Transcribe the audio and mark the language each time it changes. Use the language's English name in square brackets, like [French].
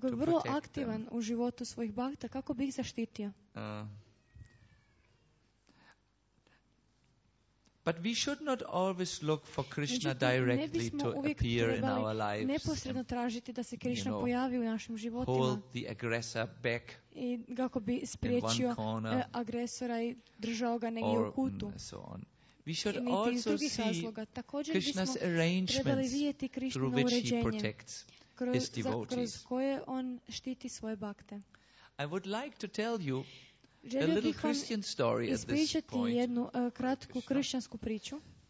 [Croatian] koji je vrlo aktivan u životu svojih bhakta, kako bi ih zaštitio? [English] But we should not always look for Krishna directly to appear in our lives. [Croatian] Neposredno tražiti da se Krishna pojavi u našim životima. [English] Hold the aggressor back. [Croatian] I kako bi spriječio agresora i držao ga negdje u kutu. [English] We should also see Krishna's arrangements through which he protects his devotees. [Croatian] Koje on štiti svoje bhakte. [English] I would like to tell you a little Christian story at this point. [Croatian] Ispričati jednu kratku kršćansku priču.